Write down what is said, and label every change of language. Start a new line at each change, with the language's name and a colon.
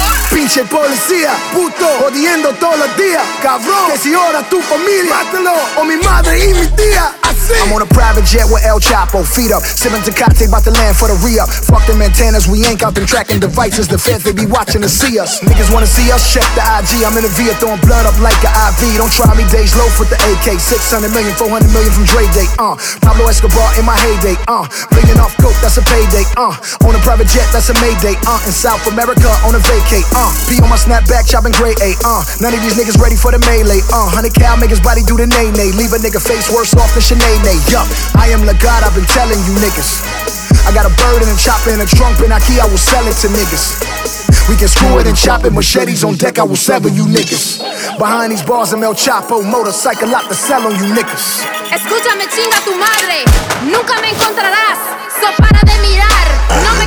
Spanish: Pinche policía, puto, jodiendo todos los días. Cabrón, que si ahora tu familia, mátalo, o mi madre y mi tía.
English: I'm on a private jet with El Chapo, feet up. Sipping Tecate, about to land for the re-up. Fuck them antennas, we ain't got them tracking devices. The feds, they be watching to see us. Niggas wanna see us, check the IG. I'm in a VIA throwing blood up like an IV. Don't try me, Dej Loaf with the AK. 600 million, 400 million from Dre Day, Pablo Escobar in my heyday, Million off coke, that's a payday, On a private jet, that's a mayday, In South America, on a vacay, Be on my snapback, chopping gray A, None of these niggas ready for the melee, 100 cal, make his body do the nay-nay. Leave a nigga face worse off than Chanel. Yup, I am the God, I've been telling you niggas. I got a bird and a chopper and a trunk and a key, I will sell it to niggas. We can screw it and chop it, machetes on deck, I will sever you niggas. Behind these bars, I'm El Chapo, motorcycle lot to sell on you niggas.
Spanish: Escúchame, chinga tu madre, nunca me encontrarás, so para de mirar.